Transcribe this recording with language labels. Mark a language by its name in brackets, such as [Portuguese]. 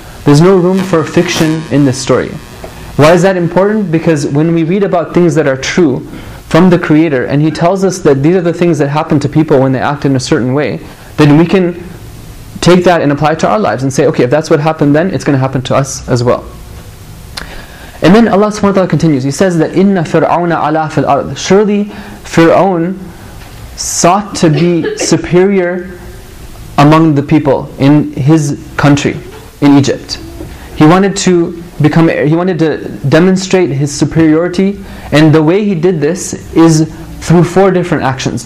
[English] There's no room for fiction in this story. Why is that important? Because when we read about things that are true from the Creator, and He tells us that these are the things that happen to people when they act in a certain way, then we can take that and apply it to our lives and say, okay, if that's what happened then, it's going to happen to us as well. And then Allah subhanahu wa ta'ala continues. He says that, [Arabic] إِنَّ فِرْعَوْنَ عَلَىٰ فِي الْأَرْضِ. [English] Surely Fir'aun sought to be superior among the people in his country, in Egypt. He wanted to demonstrate his superiority. And the way he did this is through four different actions.